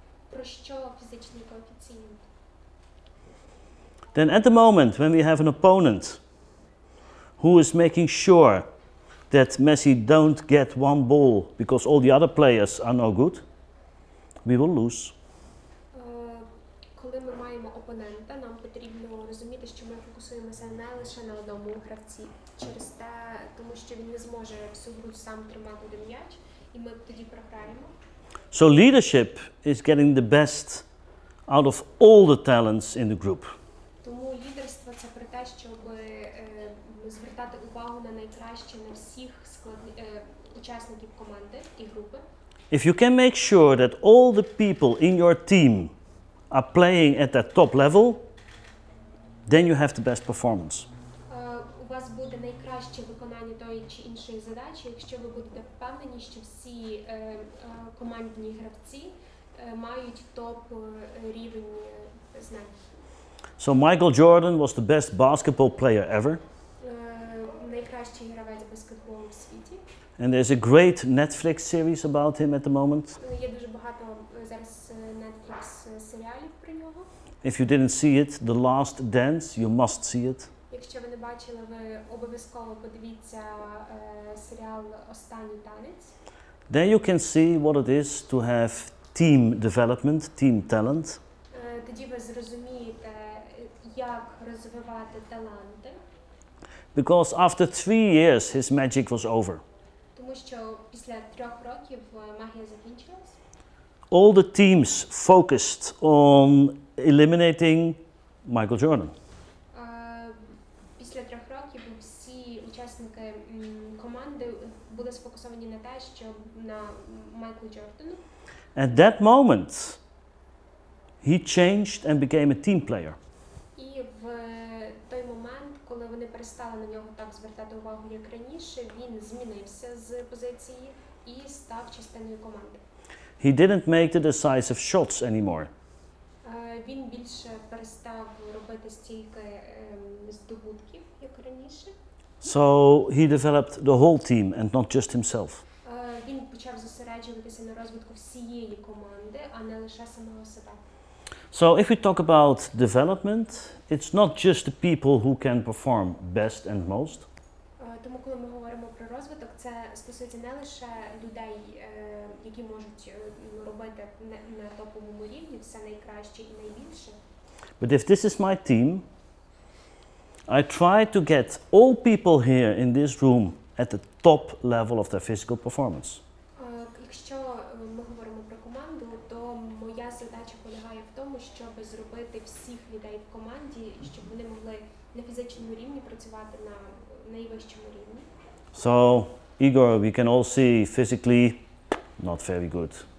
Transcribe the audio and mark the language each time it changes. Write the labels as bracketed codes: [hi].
[uk] Про що фізичний коефіцієнт? [en] Then at the moment when we have an opponent who is making sure that Messi don't get one ball because all the other players are no good, we will lose. [uk] Коли ми маємо опонента, нам потрібно розуміти, що ми фокусуємося не лише на одному гравці, через те, тому що він не зможе всю гру сам тримати один м'яч, і ми тоді програємо. [en] So leadership is getting the best out of all the talents in the group. [uk] Тому лідерство — це про те, щоб звертати увагу на найкраще на всіх учасників команди і групи. [en] If you can make sure that all the people in your team are playing at that top level, then you have the best performance. [uk] У вас буде найкраще виконання тої чи іншої задачі, якщо ви будете впевнені, що всі командні гравці мають топ рівень знань. [en] So Michael Jordan was the best basketball player ever. [uk] Найкращий гравець баскетболу в світі. [en] And there's a great Netflix series about him at the moment. [uk] Є дуже багато зараз Netflix серіалів про нього. [en] If you didn't see it, The Last Dance, you must see it. [uk] Якщо ви не бачили, ви обов'язково подивіться серіал «Останній танець». [en] Then you can see what it is to have team development, team talent. [uk] Тоді ви зрозумієте, як розвивати таланти. [en] Because after 3 years, his magic was over. [uk] Тому що після 3 років магія закінчилась. [en] All the teams focused on eliminating Michael Jordan. [uk] Після 3 років всі учасники команди були сфокусовані на те, що на Майкла Джордана. [en] At that moment, he changed and became a team player. [uk] І в той момент, коли вони перестали на нього так звертати увагу, як раніше, він змінився з позиції і став частиною команди. [en] He didn't make the decisive shots anymore. [uk] Він більше перестав робити стільки здобутків, як раніше. [en] So he developed the whole team and not just himself. [uk] Він почав зосереджуватися на розвитку всієї команди, а не лише самого себе. [en] So if we talk about development, it's not just the people who can perform best and most. [uk] Тому коли ми говоримо про розвиток, це стосується не лише людей, які можуть робити на топовому рівні все найкраще і найбільше. [en] But if this is my team, I try to get all people here in this room at the top level of their physical performance. [uk] Якщо ми говоримо про команду, то моя задача полягає в тому, щоб зробити всіх людей в команді, щоб вони могли на фізичному рівні працювати на найвищому рівні. [en] So, Igor, we can all see physically not very good.